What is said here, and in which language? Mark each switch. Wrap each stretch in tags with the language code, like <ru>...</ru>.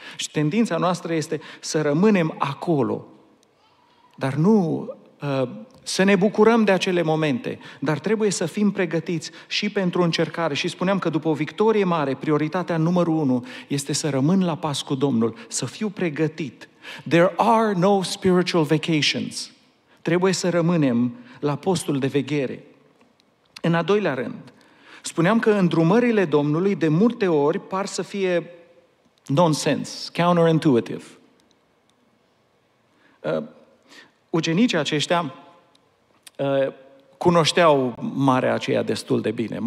<ro>Și tendința noastră este să rămânem acolo, dar nu să ne bucurăm de acele momente, dar trebuie să fim pregătiți și pentru încercare. Și spuneam că după o victorie mare, prioritatea numărul unu este să rămân la pas cu Domnul, să fiu pregătit.</ro> <en>There are no spiritual vacations.</en> <ro>Trebuie să rămânem la postul de veghere. În a doilea rând, spuneam că îndrumările Domnului de multe ori par să fie</ro> <en>nonsense, counterintuitive.</en> <ro>Ucenicii aceștia cunoșteau marea aceea destul de bine.</ro>